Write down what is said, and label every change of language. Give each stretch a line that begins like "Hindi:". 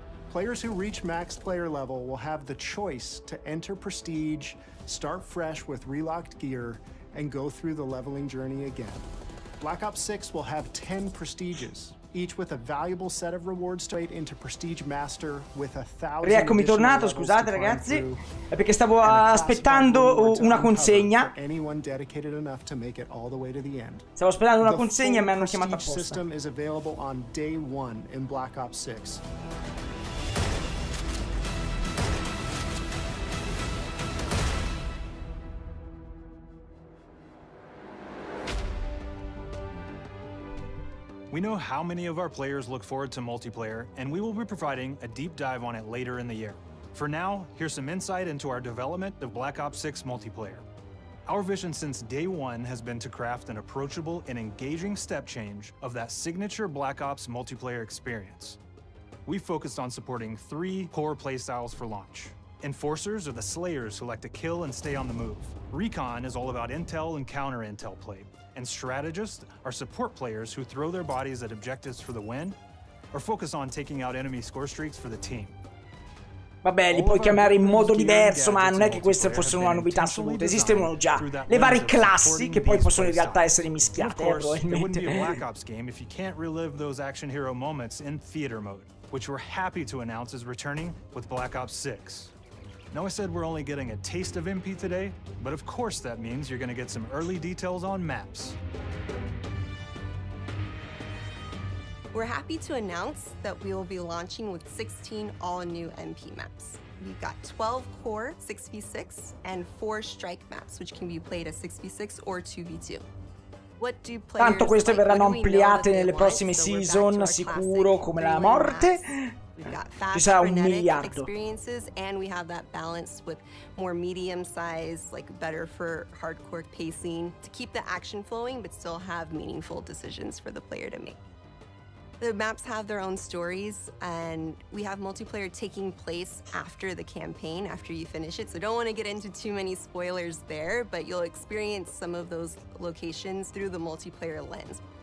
English: Players who reach max player level will have the choice to enter prestige, start fresh with relocked gear, and go through the leveling journey again. Black Ops 6 will have 10 prestiges, each with a valuable set of rewards to get into prestige master with a thousand.
Italian: Rieccomi tornato, scusate ragazzi, è perché stavo aspettando una consegna.
English: Anyone dedicated enough to make it all the way to the end.
Italian: Stavo aspettando una consegna e mi hanno chiamato apposta.
English: The prestige system is available on day one in Black Ops 6. We know how many of our players look forward to multiplayer, and we will be providing a deep dive on it later in the year. For now, here's some insight into our development of Black Ops 6 multiplayer. Our vision since day one has been to craft an approachable and engaging step change of that signature Black Ops multiplayer experience. We focused on supporting three core playstyles for launch. Enforcers are the slayers who like to kill and stay on the move. Recon is all about intel and counter-intel play. And strategists are support players who throw their bodies at objectives for the win or focus on taking out enemy score streaks for the team.
Italian: Vabbè, li puoi chiamare in modo diverso, ma non è che questa fosse una novità assoluta. Esistevano già le varie classi che poi possono in realtà essere mischiate, probabilmente.
English: Wouldn't be a Black Ops game if you can't relive those action hero moments in theater mode, which we're happy to announce is returning with Black Ops 6. Now I said we're only getting a taste of MP today, but of course that means you're going to get some early details on maps. We're happy to announce that we will be launching with 16 all-new MP maps. We've got 12 core 6v6 and 4 strike maps, which can be played as 6v6 or 2v2.
Italian: Tanto queste verranno ampliate nelle prossime season, sicuro, come la morte.
English: We've got fast frenetic experiences, and we have that balance with more medium size, like better for hardcore pacing to keep the action flowing, but still have meaningful decisions for the player to make. The maps have their own stories, and we have multiplayer taking place after the campaign, after you finish it. So don't want to get into too many spoilers there, but you'll experience some of those locations through the multiplayer lens.